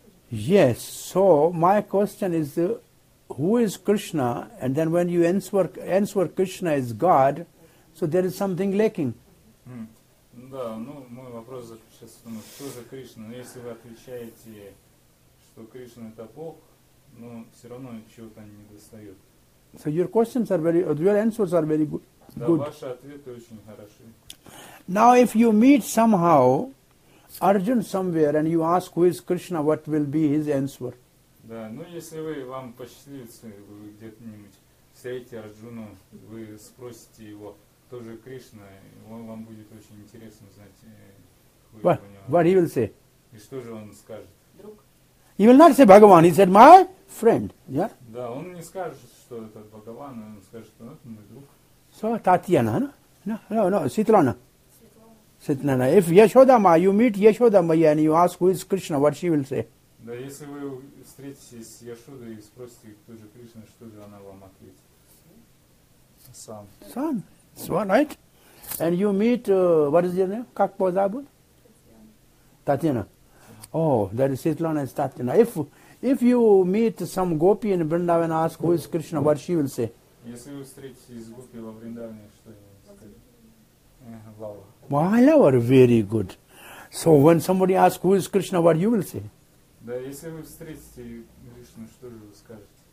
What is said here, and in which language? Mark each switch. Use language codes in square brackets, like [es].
[en] Yes, so my question is, who is Krishna? And then when you answer Krishna is God, so there is something lacking. [ru] Да, ну, мой вопрос заключается в том, что за Кришна? Но если вы отвечаете, что Кришна это Бог, но все равно чего-то не достает. [en] So your questions are very, your answers are very good. [ru] Да, ваши ответы очень хороши. [en] Now if you meet somehow, Arjun somewhere, and you ask who is Krishna, what will be his answer? [ru] Да, ну если вы вам посчастливится где-нибудь встретить Арджуну, вы спросите его, кто же Кришна, он вам будет очень интересно знать, [en] what he will say. [ru] И что же он скажет? Друг. [en] He will not say Bhagavan. He said my friend. Yeah. [ru] Да, он не скажет, что это Бхагаван, он скажет, что это мой друг. [en] So Татьяна, no, Ситлана. [ru] Ситлана. [en] If Yashoda Ma, you meet Yashoda Ma and you ask who is Krishna, what she will say? [ru] Да, если вы встретитесь с Яшодой и спросите, кто же Кришна, что же она вам ответит? Сам. Сам. Сам, [en] right? And you meet, what is your name? [ru] Как позабыл? [en] Татьяна. Oh, that is Ситлана is Татьяна. If you meet some gopi in Vrindavan and ask who is Krishna, what she will say? [ru] Если вы встретитесь с гопи во Вриндаване, что ему сказать? Лава. [en] My lover, very good. So when somebody asks who is Krishna, what you will say? [ru] Да, если вы встретите Кришну, что же вы скажете?